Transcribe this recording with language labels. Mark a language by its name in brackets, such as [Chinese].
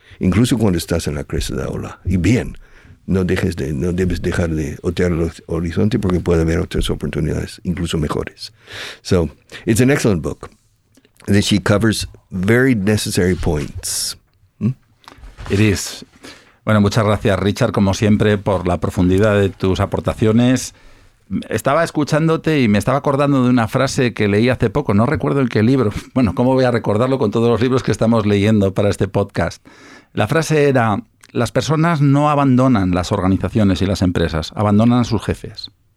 [Spanish] Incluso cuando estás en la cresta de la ola. Y bien, no debes dejar de otear el horizonte porque puede haber otras oportunidades, incluso mejores. [English] So it's an excellent book that she covers very necessary points. It is. [Spanish] Bueno, muchas gracias, Richard, como siempre, por la profundidad de tus aportaciones. Estaba escuchándote y me estaba acordando de una frase que leí hace poco. No recuerdo en qué libro. Bueno, ¿cómo voy a recordarlo con todos los libros que estamos leyendo para este podcast? La frase era, las personas no abandonan las organizaciones y las empresas, abandonan a sus jefes.